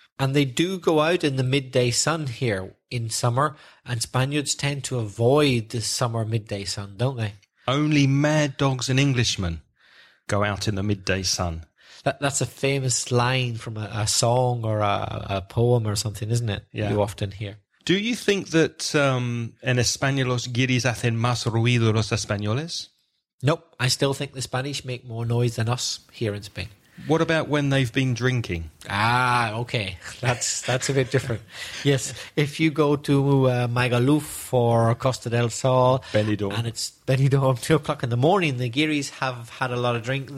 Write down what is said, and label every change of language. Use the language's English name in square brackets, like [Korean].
[English] And they do go out in the midday sun here in summer, and Spaniards tend to avoid the summer midday sun, don't they? Only mad dogs and Englishmen go out in the midday sun. That's a famous line from a song or a poem or something, isn't it? Yeah. You often hear. Do you think that [Spanish] en español los guiris hacen más ruido los españoles? [English] Nope, I still think the Spanish make more noise than us here in Spain. What about when they've been drinking? Ah, okay, that's a bit different. Yes, if you go to Magaluf or Costa del Sol, Benidorm, and it's Benidorm 2 o'clock in the morning, the Guiris have had a lot of drink.